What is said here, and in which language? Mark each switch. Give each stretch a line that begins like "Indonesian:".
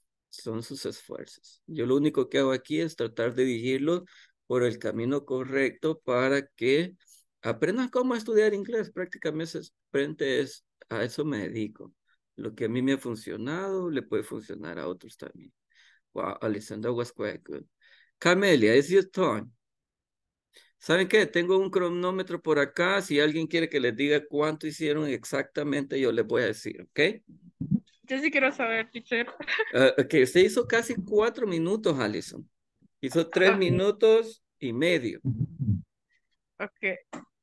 Spanish: Son sus esfuerzos. Yo lo único que hago aquí es tratar de dirigirlos por el camino correcto para que aprendan cómo estudiar inglés. Prácticamente a eso me dedico. Lo que a mí me ha funcionado, le puede funcionar a otros también.
English: Wow, Alexander was quite good. Camelia, it's your turn.
Spanish: ¿Saben qué? Tengo un cronómetro por acá. Si alguien quiere que les diga cuánto hicieron exactamente, yo les voy a decir, ¿ok? Yo sí quiero saber, teacher. Okay, usted hizo casi 4 minutos, Allison. Hizo 3 minutos y medio. Ok.